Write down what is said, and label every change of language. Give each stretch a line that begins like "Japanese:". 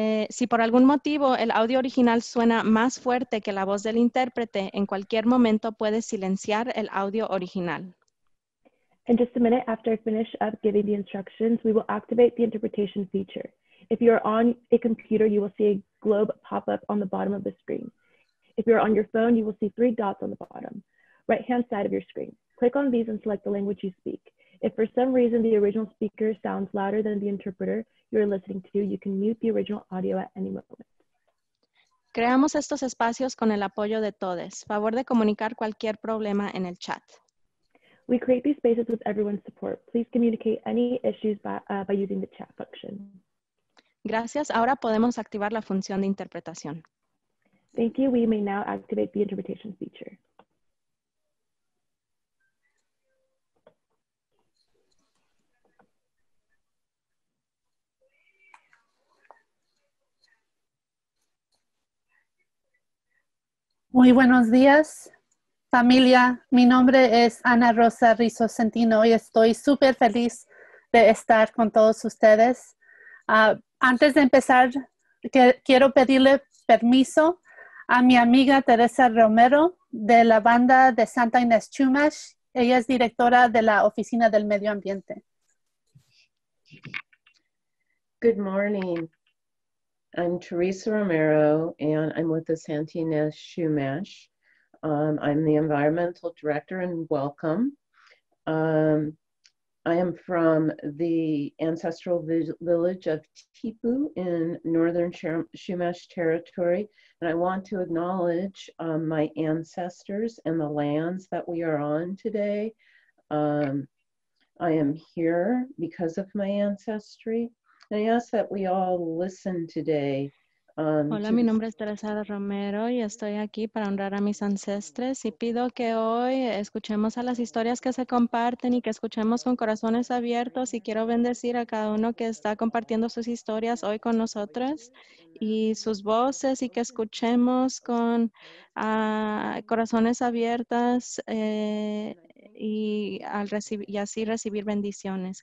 Spanish: Si por algún motivo el audio original suena más fuerte que la voz del intérprete, en cualquier momento puede silenciar el audio original.
English: In just a minute after I finish up giving the instructions, we will activate the interpretation feature. If you are on a computer, you will see a globe pop up on the bottom of the screen. If you're on your phone, you will see three dots on the bottom right-hand side of your screen. Click on these and select the language you speak. If for some reason the original speaker sounds louder than the interpreter you're listening to, you can mute the original audio at any moment.
Spanish: Creamos estos espacios con el apoyo de todos. Favor de comunicar cualquier problema en el chat.
English: We create these spaces with everyone's support. Please communicate any issues by using the chat function.
Spanish: Gracias. Ahora podemos activar la función de interpretación.
English: Thank you. We may now activate the interpretation feature.
Spanish: Muy buenos días, familia. Mi nombre es Ana Rosa Rizzo Centino y estoy súper feliz de estar con todos ustedes. Antes de empezar, quiero pedirle permiso a mi amiga Teresa Romero de la banda de Santa Inés Chumash. Ella es directora de la Oficina del Medio Ambiente.
English: Good morning. I'm Teresa Romero, and I'm with the Santa Inés Chumash. I'm the environmental director, and welcome. I am from the ancestral village of Tipu in northern Chumash territory, and I want to acknowledge my ancestors and the lands that we are on today. I am here because of my ancestry. And I ask that we all listen today.
Spanish: Hola, mi nombre es Teresa Romero y estoy aquí para honrar a mis ancestres y pido que hoy escuchemos a las historias que se comparten y que escuchemos con corazones abiertos y quiero bendecir a cada uno que está compartiendo sus historias hoy con nosotras y sus voces y que escuchemos con corazones abiertos y así recibir bendiciones.